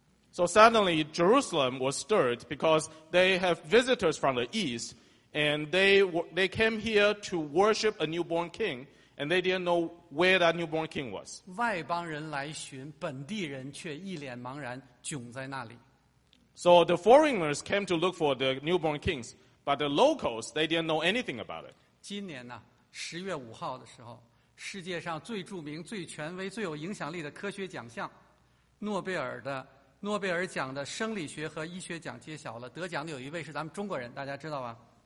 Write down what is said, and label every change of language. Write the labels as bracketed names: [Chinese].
[English] So suddenly Jerusalem was stirred because they have visitors from the east, and they came here to worship a newborn king, and they didn't know where that newborn king was. [Chinese] 外邦人来寻，本地人却一脸茫然，窘在那里。 [English] So the foreigners came to look for the newborn kings, but the locals they didn't know anything about it. [Chinese] 今年呢，10月5号的时候。世界上最著名、最权威、最有影响力的科学奖项，诺贝尔奖的生理学和医学奖揭晓了。得奖的有一位是咱们中国人，大家知道吧？